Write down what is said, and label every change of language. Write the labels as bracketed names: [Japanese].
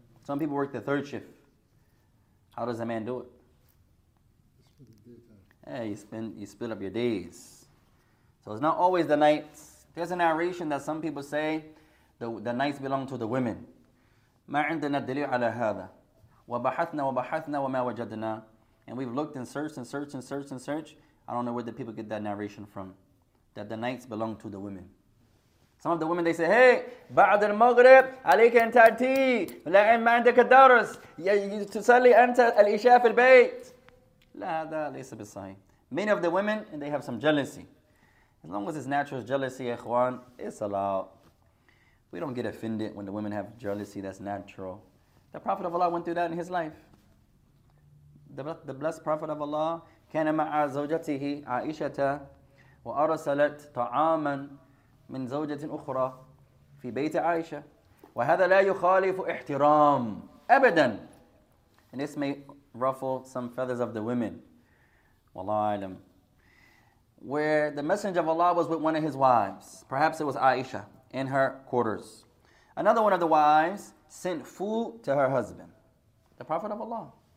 [English] Some people work the third shift. How does a man do it? Yeah, you split up your days. So it's not always the nights. There's a narration that some people say the nights belong to the women. [Arabic] ما عندنا دليل على هذا. وبحثنا وبحثنا وما وجدنا. [English] And we've looked and searched and searched and searched and searched. I don't know where the people get that narration from. That the nights belong to the women. Some of the women, they say, hey, [Arabic] بعد المغرب عليك أن تأتي لأن ما عندك الدرس تصلي أنت الإشاء في البيت. لا, هذا ليس بالصحيح. [English] Many of the women, and they have some jealousy. As long as it's natural jealousy, إخوان, it's allowed. We don't get offended when the women have jealousy that's natural. The Prophet of Allah went through that in his life. The blessed Prophet of Allah, [Arabic] كان مع زوجته عائشة وأرسلت طعاما من زوجة أخرى في بيت عائشة وهذا لا يخالف احترام أبدا. [English] And this may ruffle some feathers of the women. Wallahu alam. Where the Messenger of Allah was with one of his wives, perhaps it was Aisha, in her quarters. Another one of the wives sent food to her husband, the Prophet of Allah.